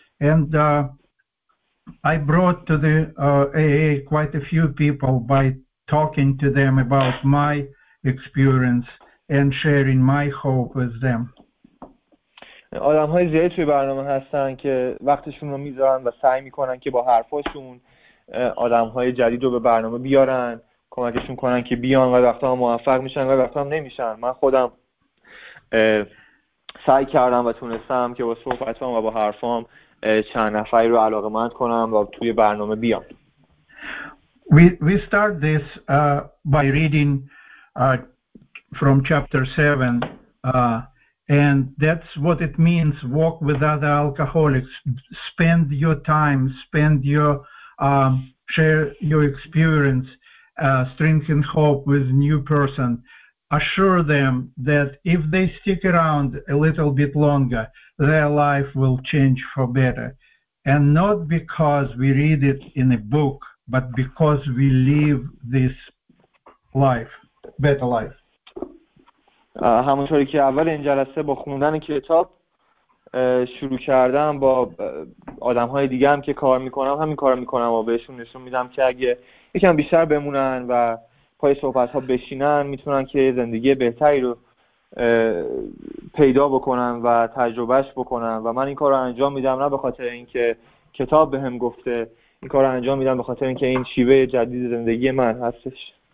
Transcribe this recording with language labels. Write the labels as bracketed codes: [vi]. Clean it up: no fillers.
[en] And I brought to the AA quite a few people by talking to them about my experience and sharing my hope with them. [fa] آدم های زیادی توی برنامه هستن که وقتشون رو میذارن و سعی میکنن که با حرفاشون آدم های جدید رو به برنامه بیارن، کمکشون کنن که بیان و وقتا هم موفق میشن و وقتا هم نمیشن. من خودم سعی کردم و تونستم که با صحبتام و با حرفام چند نفری رو علاقه مند کنم و توی برنامه بیان. [en] We start this by reading from chapter 7. And that's what it means, walk with other alcoholics, spend your time, spend your, share your experience, strengthen hope with new person, assure them that if they stick around a little bit longer, their life will change for better. And not because we read it in a book, but because we live this life, better life. [fa] همونطوری که اول این جلسه با خوندن کتاب شروع کردم، با آدم‌های دیگه هم که کار می‌کنم همین کارو می‌کنم و بهشون نشون میدم که اگه یکم بیشتر بمونن و پای صحبت‌ها بشینن میتونن که زندگی بهتری رو پیدا بکنن و تجربهش بکنن. و من این کارو انجام میدم نه به خاطر اینکه کتاب بهم گفته، این کارو انجام میدم به خاطر اینکه این شیوه جدید زندگی من هستش.